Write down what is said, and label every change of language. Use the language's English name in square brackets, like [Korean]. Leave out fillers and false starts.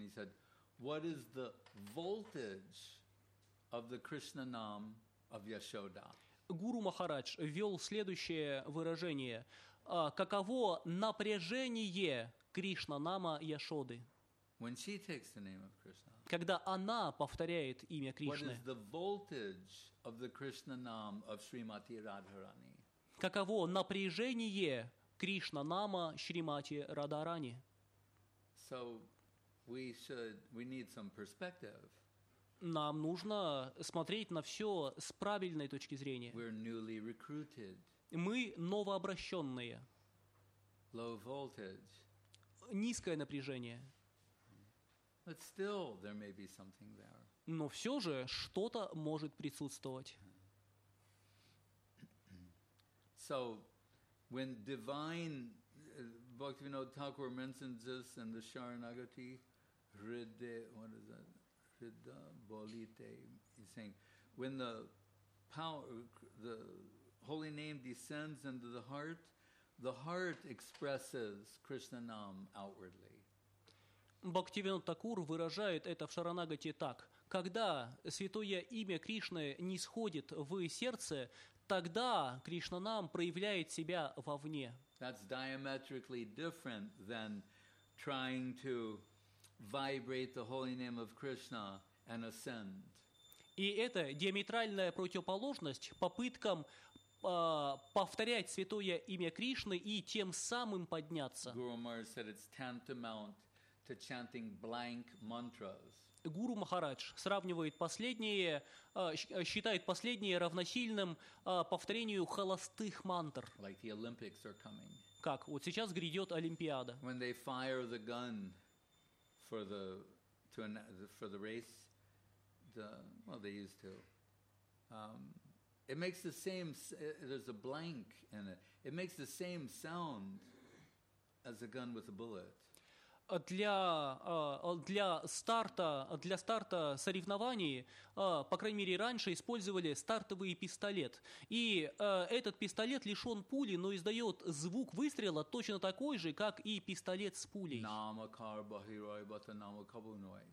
[English] He said, what is the voltage of the Krishna Nam of Yashoda? [Russian] Guru Maharaj ввел следующее выражение. Каково напряжение Кришна Нама Яшоды? [English] When she takes the name of Krishna. [Russian] Когда она повторяет имя Кришны. [English] What is the voltage of the Krishna Nam of Shrimati Radharani? [Russian] Каково напряжение Кришна Нама Шримати Радхарани? [English] So we need some perspective. [Russian] Нам нужно смотреть на все с правильной точки зрения. [English] We're newly recruited. [Russian] Мы новообращенные. [English] Low voltage. [Russian] Низкое напряжение. [English] But still there may be something there. [Russian] Но все же что-то может присутствовать. [English] So when divine Bhaktivinoda Thakur mentions this in the Sharanagati, Ridde, what is that? Ridda Bolite. He's saying, when the power, the holy name descends into the heart expresses Krishna Nam outwardly. [Russian] Бхактивинода Такур выражает это в Шаранагати так. Когда святое имя Кришны нисходит в сердце, тогда Кришна Нам проявляет себя вовне. [English] That's diametrically different than trying to vibrate the holy name of Krishna and ascend. [Russian] И это диаметральная противоположность попыткам повторять святое имя Кришны и тем самым подняться. [English] Guru Maharaj said it's tantamount to chanting blank mantras. [Russian] Гуру Махарадж сравнивает последние, считает последние равносильным повторению холостых мантр. [English] Like the Olympics are coming. [Russian] Как вот сейчас грядет Олимпиада. [English] When they fire the gun for the race, they used to. It makes the same. There's a blank in it. It makes the same sound as a gun with a bullet. [Russian] Для старта соревнований, по крайней мере, раньше использовали стартовый пистолет. И этот пистолет лишен пули, но издает звук выстрела точно такой же, как и пистолет с пулей. [Bangla] Намакар бахирой бата намакабуной.